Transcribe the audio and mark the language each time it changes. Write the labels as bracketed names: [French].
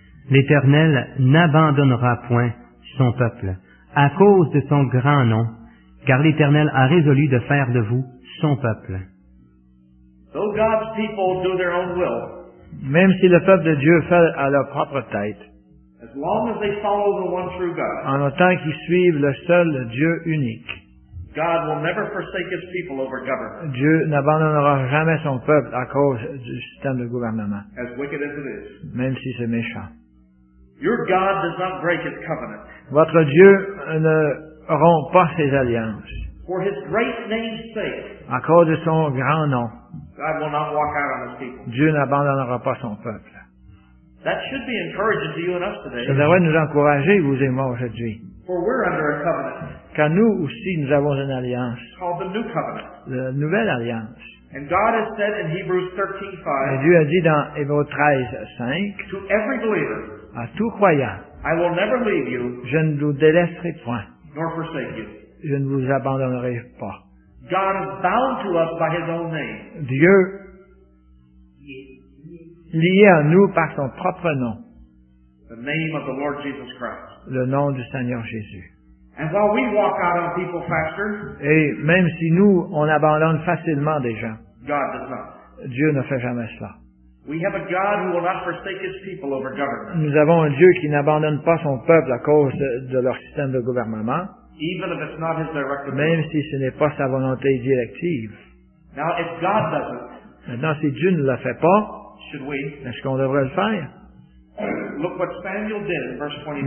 [French] L'Éternel n'abandonnera point son peuple à cause de son grand nom, car l'Éternel a résolu de faire de vous son peuple. [English] Though God's people do their own will, [French] même si le peuple de Dieu fait à leur propre tête, [English] as long as they follow the one true God, [French] en autant qu'ils suivent le seul Dieu unique, [English] God will never forsake his people over government. [French] Dieu n'abandonnera jamais son peuple à cause du système de gouvernement, [English] as wicked as it is, [French] même si c'est méchant. [English] Your God does not break his covenant. [French] Votre Dieu ne rompt pas ses alliances. [English] For his great name's sake, [French] à cause de son grand nom, [English] God will not walk out on his people. [French] Dieu n'abandonnera pas son peuple. [English] That should be encouraging to you and us today. [French] Ça devrait nous encourager, vous et moi, aujourd'hui. [English] For we're under a covenant. [French] Car nous aussi, nous avons une alliance. [English] Called the new covenant. [French] La nouvelle alliance. [English] And God has said in Hebrews 13:5. [French] Et Dieu a dit dans Hébreux 13:5. [English] To every believer. [French] À tout croyant. [English] I will never leave you. [French] Je ne vous délaisserai point. [English] Nor forsake you. [French] Je ne vous abandonnerai pas. [English] God is bound to us by his own name. [French] Dieu lié à nous par son propre nom. [English] The name of the Lord Jesus Christ. [French] Le nom du Seigneur Jésus. [English] And while we walk out on people faster, [French] et même si nous, on abandonne facilement des gens, [English] God does not. [French] Dieu ne fait jamais cela. [English] We have a God who will not forsake his people over government. [French] Nous avons un Dieu qui n'abandonne pas son peuple à cause de leur système de gouvernement, [English] even if it's not his direct will. [French] Même si ce n'est pas sa volonté directive. [English] Now, if God does it, [French] maintenant, si Dieu ne le fait pas, [English] should we? [French] Est-ce qu'on devrait le faire? [English] Look what Samuel did in verse 22.